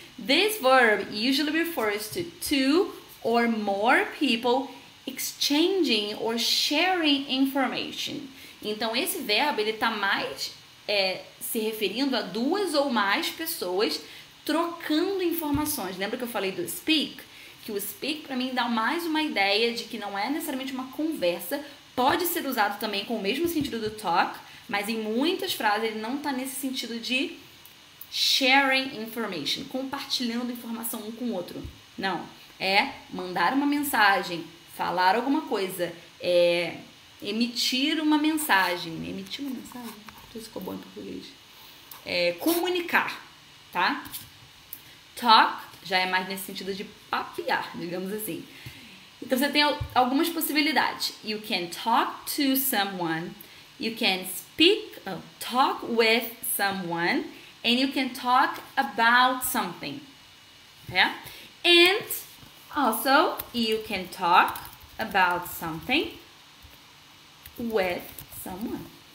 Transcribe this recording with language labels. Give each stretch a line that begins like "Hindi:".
English: This verb usually refers to two or more people exchanging or sharing information.
Portuguese: Então, esse verbo, ele tá mais se referindo a duas ou mais pessoas trocando informações. Lembra que eu falei do speak? Que o speak, pra mim, dá mais uma ideia de que não é necessariamente uma conversa. Pode ser usado também com o mesmo sentido do talk, mas em muitas frases ele não está nesse sentido de
English: sharing information,
Portuguese: compartilhando informação um com o outro. Não, é mandar uma mensagem, falar alguma coisa, emitir uma mensagem. Emitir uma mensagem? Não sei se ficou bom em português. Comunicar, tá? Talk já é mais nesse sentido de papear, digamos assim. Então você tem algumas possibilidades.
English: You can talk to someone, you can talk with someone, and you can talk about something. Yeah? And also you can talk about something with someone.